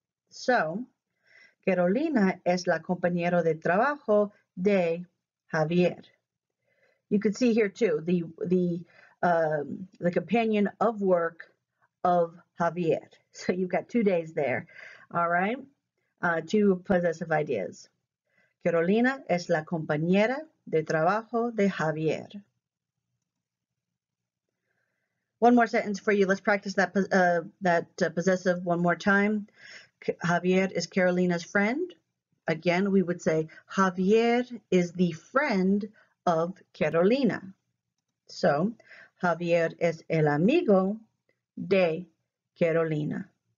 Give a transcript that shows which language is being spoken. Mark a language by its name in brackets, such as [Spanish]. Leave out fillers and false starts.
[Spanish] So, Carolina es la compañera de trabajo de Javier. [English] You could see here too, the companion of work of Javier. So you've got 2 days there. All right, two possessive ideas. [Spanish] Carolina es la compañera de trabajo de Javier. [English] One more sentence for you. Let's practice that possessive one more time. Javier is Carolina's friend. Again, we would say Javier is the friend of Carolina. [Spanish] So, Javier es el amigo de Carolina.